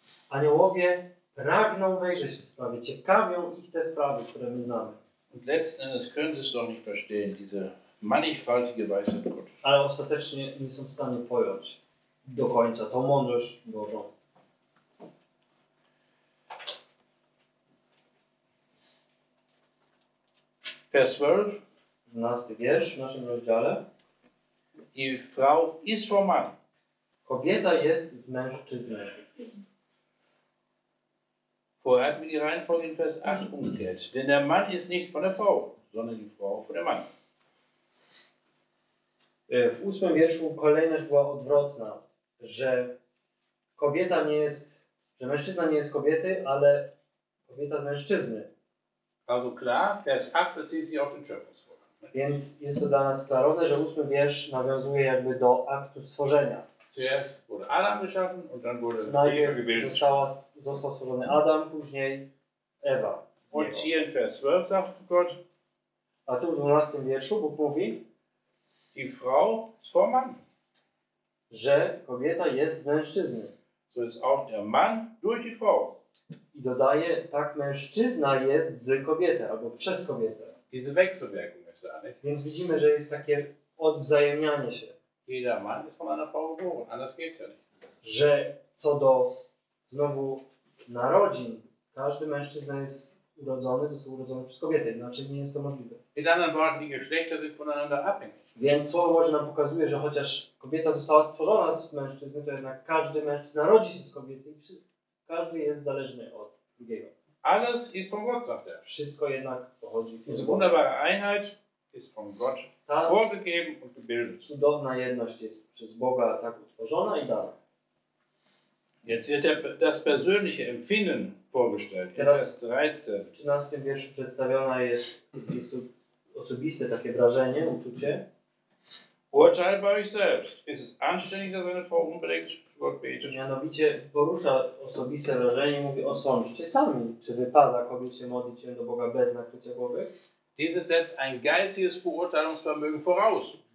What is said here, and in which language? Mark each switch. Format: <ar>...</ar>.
<pl>Aniołowie pragną wejrzeć w te sprawy. Ciekawią ich te sprawy, które my znamy.</pl> <de>Letzten Endes können Sie es doch nicht verstehen, diese mannigfaltige Weisheit Gottes.</de> <pl>Ale ostatecznie nie są w stanie pojąć do końca tą mądrość Bożą.</pl> <de>Vers 12.</de> <pl>12 wiersz w naszym rozdziale.</pl> <de>Die Frau ist vom Mann.</de> <pl>Kobieta jest z mężczyzny.</pl> <de>Vorher hat mir die Reihenfolge in Vers 8 umgekehrt. Denn der Mann ist nicht von der Frau, sondern die Frau von dem Mann.</de> <pl>W ósmym wierszu kolejność była odwrotna, że kobieta nie jest, że mężczyzna nie jest kobiety, ale kobieta z mężczyzny.</pl> <de>Also klar, Vers 8 bezieht sich auf den Schöpfungsvorgang.</de> <pl>Więc jest to dla nas klarowne, że ósmy wiersz nawiązuje jakby do aktu stworzenia.</pl> <de>Zuerst wurde Adam geschaffen und dann wurde Eva gebildet.</de> <pl>Został stworzony Adam, później Ewa.</pl> <de>Und hier in Vers 12 sagt Gott.</de> <pl>A tu w 12 wierszu Bóg mówi.</pl> <de>Die Frau ist vom Mann.</de> <pl>Że kobieta jest z mężczyzny.</pl> <de>So ist auch der Mann durch die Frau.</de> <pl>I dodaje, tak mężczyzna jest z kobietą, albo przez kobietę.</pl> <de>Diese Wechselwirkung ist da, nicht?</de> <pl>Więc widzimy, że jest takie odwzajemnianie się.</pl> <de>Jeder Mann ist von einer Frau geboren, anders geht's ja nicht.</de> <pl>Że co do, znowu, narodzin, każdy mężczyzna jest urodzony, został urodzony przez kobietę, inaczej nie jest to możliwe.</pl> <de>In anderen Worten, die Geschlechter sind voneinander abhängig.</de> <pl>Więc Słowo Boże nam pokazuje, że chociaż kobieta została stworzona z mężczyzny, to jednak każdy mężczyzna rodzi się z kobiety i każdy jest zależny od drugiego.</pl> <de>Alles ist von Gott, sagt er.</de> <pl>Wszystko jednak pochodzi z Boga.</pl> <de>Wunderbare Einheit ist von Gott vorgegeben und gebildet.</de> <pl>Cudowna jedność jest przez Boga tak utworzona i dana.</pl> <de>Jetzt wird das persönliche Empfinden vorgestellt.</de> <pl>Teraz w 13. wierszu przedstawiona jest osobiste takie wrażenie, uczucie.</pl> <de>Urteil bei euch selbst. Ist es anständig, dass eine Frau unbedingt Gott betet?</de> <pl>Mianowicie porusza osobiste wrażenie i mówi: osądźcie sami, czy wypada kobiecie modlić się do Boga bez nakrycia głowy?</pl> <de>Dieses setzt ein geistiges Beurteilungsvermögen voraus.</de>